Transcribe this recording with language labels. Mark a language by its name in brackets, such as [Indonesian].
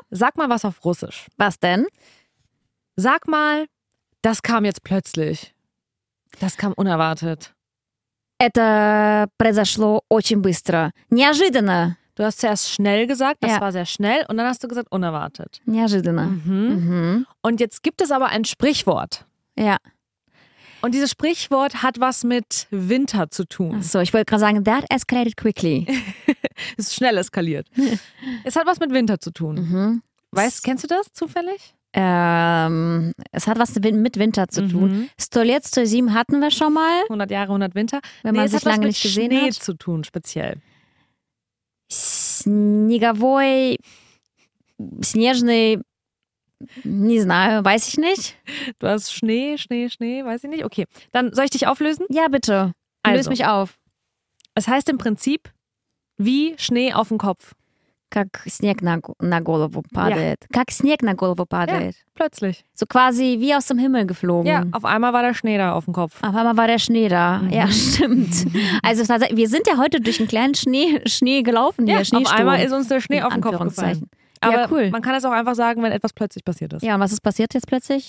[German] Sag mal was auf Russisch. Was denn? Sag mal, das kam jetzt plötzlich. Das kam unerwartet. [Russian] Это произошло очень быстро. Неожиданно. [German] Du hast zuerst schnell gesagt, das war sehr schnell, und dann hast du gesagt unerwartet. [Russian] Неожиданно. Mhm. [German] Und jetzt gibt es aber ein Sprichwort. Ja. Und dieses Sprichwort hat was mit Winter zu tun. Ach so, ich wollte gerade sagen, [English] that escalated quickly. [German] Es ist schnell eskaliert. Es hat was mit Winter zu tun. Mhm. Weißt, kennst du das zufällig? Es hat was mit Winter zu tun. Stolets zu sieben hatten wir schon mal. 100 Jahre, 100 Winter. Wenn man sich lange nicht gesehen hat. Es hat was mit Schnee zu tun, speziell. [Russian] Снеговой, снежный... Не знаю, [German] weiß ich nicht. Du hast Schnee, Schnee, Schnee, weiß ich nicht. Okay, dann soll ich dich auflösen? Ja, bitte. Also, löse mich auf. Es heißt im Prinzip, wie Schnee auf den Kopf. [Russian] Как снег на голову падает. Как снег на голову падает. [German] Ja, плötzlich. So quasi wie aus dem Himmel geflogen. Ja, auf einmal war der Schnee da auf dem Kopf. Auf einmal war der Schnee da. Mhm. Ja, stimmt. Also wir sind ja heute durch einen kleinen Schnee gelaufen. Ja, hier, auf einmal ist uns der Schnee auf den Kopf gefallen. Aber ja, cool. Man kann es auch einfach sagen, wenn etwas plötzlich passiert ist. Ja, und was ist passiert jetzt plötzlich?